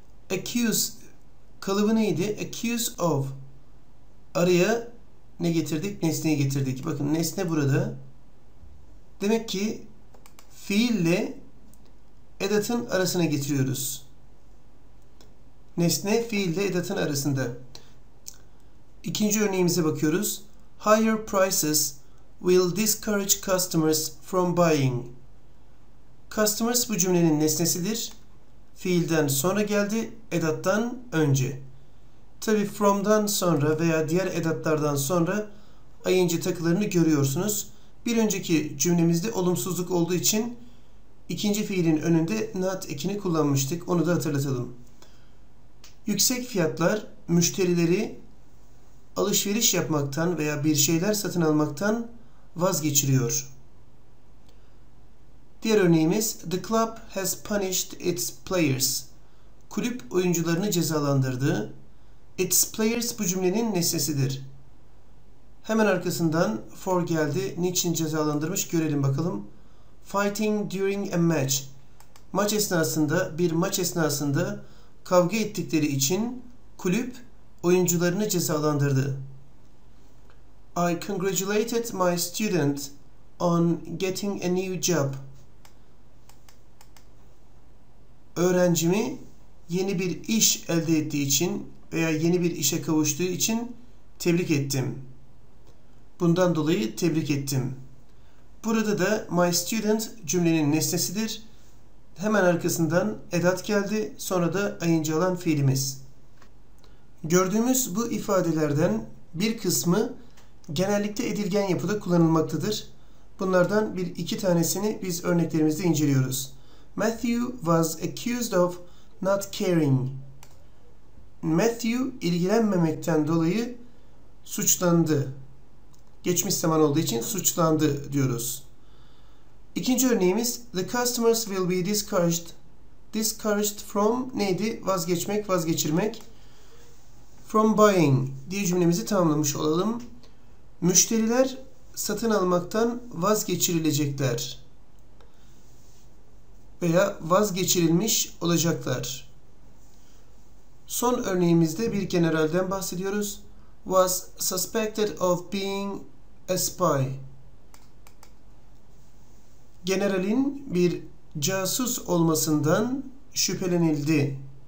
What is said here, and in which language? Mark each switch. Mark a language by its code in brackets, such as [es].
[tr] Accuse kalıbı neydi? Accuse of. Araya ne getirdik? Nesneyi getirdik. Bakın nesne burada. Demek ki fiille edatın arasına getiriyoruz. Nesne fiille edatın arasında. İkinci örneğimize bakıyoruz. [en] Higher prices will discourage customers from buying. [tr] Customers bu cümlenin nesnesidir. Fiilden sonra geldi, edattan önce. Tabi from'dan sonra veya diğer edatlardan sonra ing takılarını görüyorsunuz. Bir önceki cümlemizde olumsuzluk olduğu için ikinci fiilin önünde not ekini kullanmıştık. Onu da hatırlatalım. Yüksek fiyatlar müşterileri alışveriş yapmaktan veya bir şeyler satın almaktan vazgeçiriyor. Diğer örneğimiz [en] the club has punished its players. [tr] Kulüp oyuncularını cezalandırdı. It's players bu cümlenin nesnesidir. Hemen arkasından for geldi. Niçin cezalandırmış görelim bakalım. [en] Fighting during a match. [tr] Maç esnasında, bir maç esnasında kavga ettikleri için kulüp oyuncularını cezalandırdı. [en] I congratulated my student on getting a new job. [tr] Öğrencimi yeni bir iş elde ettiği için veya yeni bir işe kavuştuğu için tebrik ettim. Bundan dolayı tebrik ettim. Burada da my student cümlenin nesnesidir. Hemen arkasından edat geldi, sonra da ayıncı alan fiilimiz. Gördüğümüz bu ifadelerden bir kısmı genellikle edilgen yapıda kullanılmaktadır. Bunlardan bir iki tanesini biz örneklerimizde inceliyoruz. [en] Matthew was accused of not caring. [tr] Matthew ilgilenmemekten dolayı suçlandı. Geçmiş zaman olduğu için suçlandı diyoruz. İkinci örneğimiz [en] the customers will be discouraged. [tr] Discouraged from neydi? Vazgeçmek, vazgeçirmek. From buying diye cümlemizi tamamlamış olalım. Müşteriler satın almaktan vazgeçirilecekler. Veya vazgeçirilmiş olacaklar. Son örneğimizde bir generalden bahsediyoruz. [en] Was suspected of being a spy. [tr] Generalin bir casus olmasından şüphelenildi.